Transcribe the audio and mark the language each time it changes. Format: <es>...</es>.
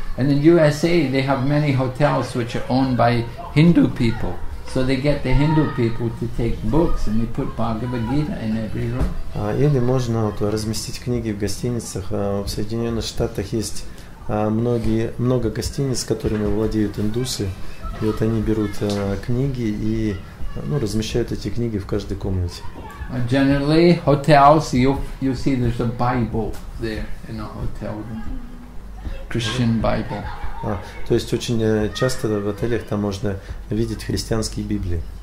<en>And in USA they have many hotels which are owned by Hindu people. So they get the Hindu people to take books and they put Bhagavad Gita in every room.</en> <ru>Или можно вот разместить книги в гостиницах. В Соединенных Штатах есть много гостиниц, которыми владеют индусы. И вот они берут книги и размещают эти книги в каждой комнате.</ru> <en>Generally, hotels, you see there's a Bible there in a hotel room. Christian Bible.</en> <ru>То есть очень часто в отелях там можно видеть христианские Библии.</ru>